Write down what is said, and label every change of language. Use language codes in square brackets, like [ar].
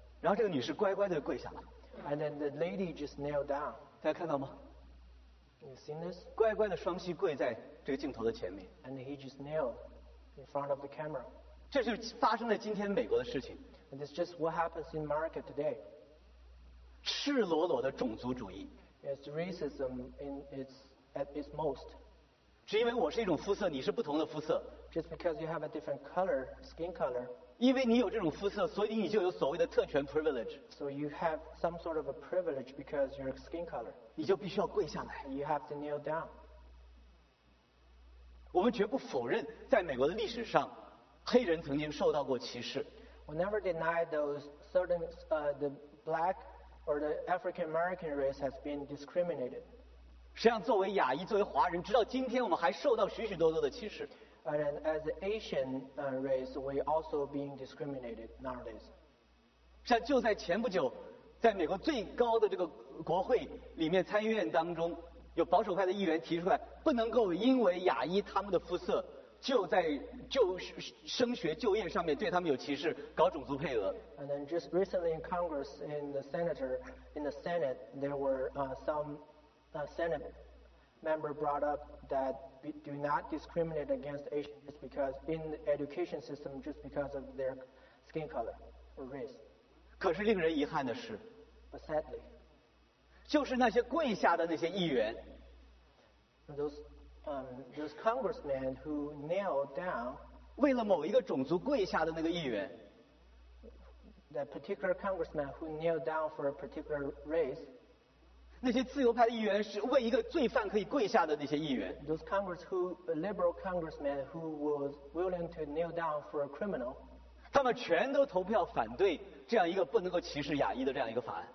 [zh] 然后这个女士乖乖地跪下了。 [en] And then the lady just knelt down. [zh] 大家看到吗？ [en] You seen this? [zh] 乖乖地双膝跪在这个镜头的前面。 [en] And he just knelt in front of the camera. [zh] 这就是发生在今天美国的事情。 [en] And this is just what happens in America today. [zh] 赤裸裸的种族主义。 [en] It's racism in its at its most. [zh] 只因为我是一种肤色，你是不同的肤色。 [en] Just because you have a different color, skin color. [zh] 因为你有这种肤色，所以你就有所谓的特权 privilege. [en] So you have some sort of a privilege because your skin color. [zh] 你就必须要跪下来。 [en] You have to kneel down. [zh] 我们绝不否认，在美国的历史上，黑人曾经受到过歧视。 [en] We never deny those certain the black. Or the African American race has been discriminated. [zh] 实际上，作为亚裔，作为华人，直到今天，我们还受到许许多多的歧视。 [en] And as the Asian race, we also being discriminated nowadays. [zh] 实际上，就在前不久，在美国最高的这个国会里面，参议院当中，有保守派的议员提出来，不能够因为亚裔他们的肤色。就在就升学就业上面对他们有歧视，搞种族配额。 [en] And then just recently in Congress, in the Senate, there were Senate member brought up that do not discriminate against Asians because in the education system just because of their skin color or race. [zh] 可是令人遗憾的是 [en] ，But sadly, [zh] 就是那些跪下的那些议员。 [en] Those congressmen who knelt down, [zh] 为了某一个种族跪下的那个议员 [en] ，that particular congressman who knelt down for a particular race, [zh] 那些自由派的议员是为一个罪犯可以跪下的那些议员。 [en] Those liberal congressmen who was willing to kneel down for a criminal, [zh] 他们全都投票反对这样一个不能够歧视亚裔的这样一个法案。